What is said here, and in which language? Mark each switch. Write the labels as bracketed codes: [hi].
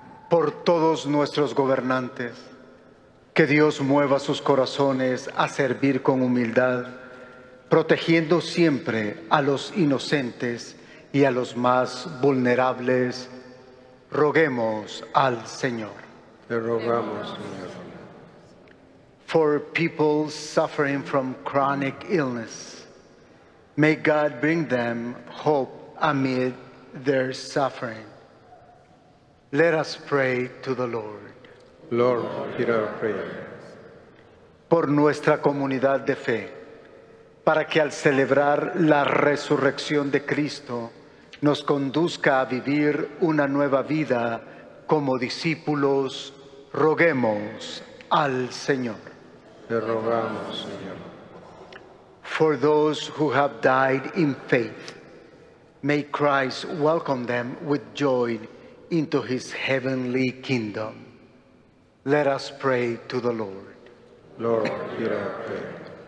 [es] Por todos nuestros gobernantes, que Dios mueva sus corazones a servir con humildad, protegiendo siempre a los inocentes y a los más vulnerables, roguemos al Señor. Te rogamos, Señor. [en] For people suffering from chronic illness, may God bring them hope amid their suffering. Let us pray to the Lord. Lord, hear our prayer. [es] Por nuestra comunidad de fe, para que al celebrar la resurrección de Cristo nos conduzca a vivir una nueva vida como discípulos, roguemos al Señor. Te rogamos, Señor. [en] For those who have died in faith, may Christ welcome them with joy into his heavenly kingdom. Let us pray to the Lord. Lord, hear our prayer.